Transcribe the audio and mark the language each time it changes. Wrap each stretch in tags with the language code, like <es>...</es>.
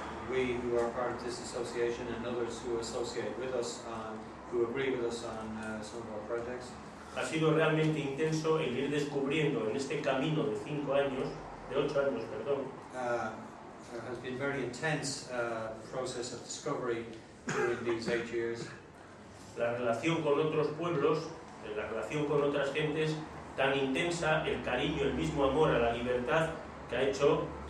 <en>We who are part of this association and others who associate with us and who agree with us on some of our projects.</en> <es>Ha sido realmente intenso el ir descubriendo en este camino de 5 años, de 8 años, perdón.</es> <en>Has been very intense process of discovery during these 8 years.</en> <es>La relación con otros pueblos, la relación con otras gentes, tan intensa el cariño, el mismo amor a la libertad que ha hecho</es>